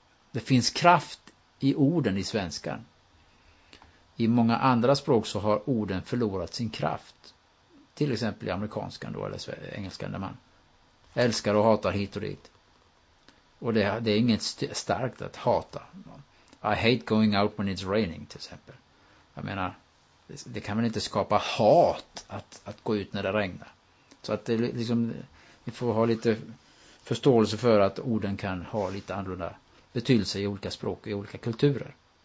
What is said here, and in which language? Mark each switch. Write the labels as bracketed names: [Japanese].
[Swedish] Det finns kraft i orden i svenskan. I många andra språk så har orden förlorat sin kraft. Till exempel i amerikanskan då, eller engelskan, där man älskar och hatar hit och dit. Och det är inget starkt att hata. [English] I hate going out when it's raining [Swedish] till exempel. Jag menar, det kan man inte skapa hat att gå ut när det regnar. Så att det liksom, vi får ha lite förståelse för att orden kan ha lite annorlunda betydelse i olika språk och i olika kulturer.